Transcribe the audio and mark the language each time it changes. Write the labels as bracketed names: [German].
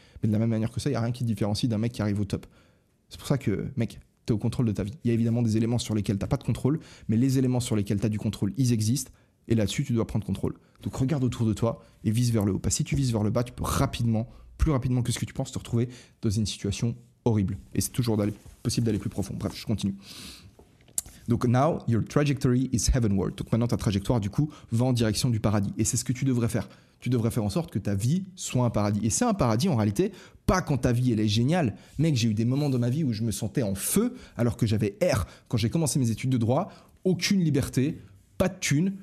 [French] Mais de la même manière que ça, il n'y a rien qui te différencie d'un mec qui arrive au top. C'est pour ça que, mec, tu es au contrôle de ta vie. Il y a évidemment des éléments sur lesquels tu n'as pas de contrôle, mais les éléments sur lesquels tu as du contrôle, ils existent, et là-dessus, tu dois prendre contrôle. Donc regarde autour de toi et vise vers le haut. Parce que si tu vises vers le bas, tu peux rapidement, plus rapidement que ce que tu penses, te retrouver dans une situation horrible. Et c'est toujours possible d'aller plus profond. Bref, je continue. [English] Donc, now, your trajectory is heavenward. [French] Donc, maintenant, ta trajectoire, du coup, va en direction du paradis. Et c'est ce que tu devrais faire. Tu devrais faire en sorte que ta vie soit un paradis. Et c'est un paradis, en réalité, pas quand ta vie, elle est géniale. Mec, j'ai eu des moments dans ma vie où je me sentais en feu, alors que j'avais R. Quand j'ai commencé mes études de droit, aucune liberté, pas de thunes.